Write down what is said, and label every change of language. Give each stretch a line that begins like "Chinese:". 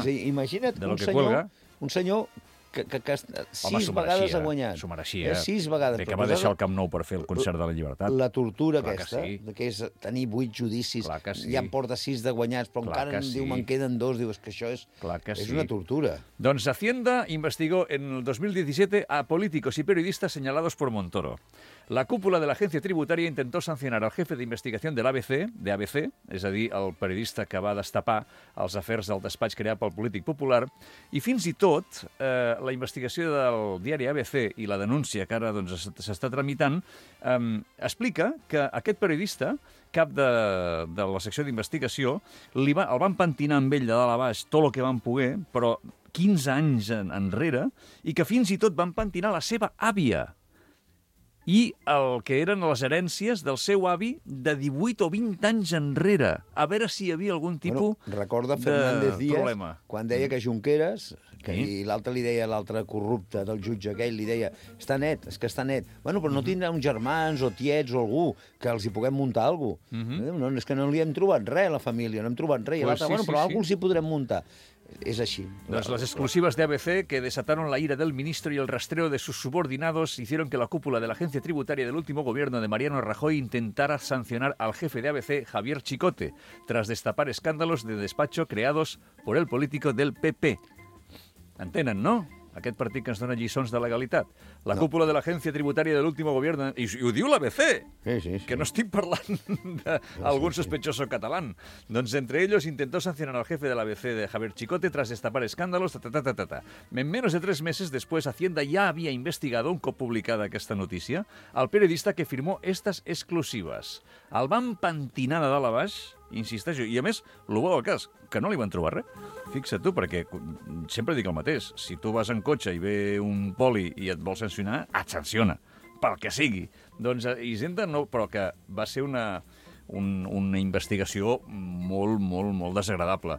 Catalan: O sigui, imagina't un senyor... Que 6 vegades ha guanyat. S'ho mereixia. 6 vegades. Bé, que va deixar el Camp Nou per fer el concert de la Llibertat. La tortura aquesta, que és tenir 8 judicis, ja en porta 6 de guanyats, però encara en diu, me'n queden 2, diu, és que això és una tortura.
Spanish: Doncs Hacienda investigó en el 2017 a políticos y periodistas señalados por Montoro.
Catalan: La cúpula de l'agència tributària
Spanish: intentó sancionar el jefe
Catalan: d'investigació de l'ABC, és a dir, el periodista que va destapar els afers del despatx creat pel polític popular, i fins i tot la investigació del diari ABC i la denúncia que ara doncs, s'està tramitant explica que aquest periodista, cap de la secció d'investigació, el van pentinar amb ell de dalt a baix tot el que van poder, però 15 anys enrere, i que fins i tot van pentinar la seva àvia i el que eren les herències del seu avi de 18 o 20 anys enrere. A veure si hi havia algun tipus recorda Fernández Díaz, problema. Quan deia que Junqueras, que i l'altre li deia, l'altre corrupte del jutge aquell, li deia, està net, és que està net. Bueno, però no tindrà uns germans o tiets o algú que els hi puguem muntar alguna cosa. No, és que no li hem trobat res a la família, no hem trobat res. Pues però algú els hi podrem muntar. És així.
Spanish: Doncs les exclusives d'ABC que desataron la ira del ministro y el rastreo de sus subordinados hicieron que la cúpula de la agencia tributaria del último gobierno de Mariano Rajoy intentara sancionar al jefe de ABC, Javier Chicote, tras destapar escándalos de despacho creados por el político del PP.
Catalan: Entenen, no? Aquest partit que ens dona lliçons de legalitat. La cúpula de l'agència tributària de
Spanish: l'último gobierno...
Catalan: I ho diu l'ABC! Sí. Que no estic parlant d'algun
Spanish: sospechoso catalán. Doncs entre ellos intentó sancionar al jefe de l'ABC de Javier Chicote tras destapar escándalos... En menos de 3 meses después, Hacienda ya había investigado,
Catalan: un cop publicada aquesta notícia,
Spanish: al periodista que firmó estas exclusivas.
Catalan: El van pentinar de dalt a baix, insisteixo, i a més, lo bo del cas, que no li van trobar res. Fixa't tu, perquè sempre dic el mateix, si tu vas en cotxe i ve un poli i et vol sancionar, et sanciona, pel que sigui. Doncs Hisenda no, però que va ser una investigació molt, molt, molt desagradable.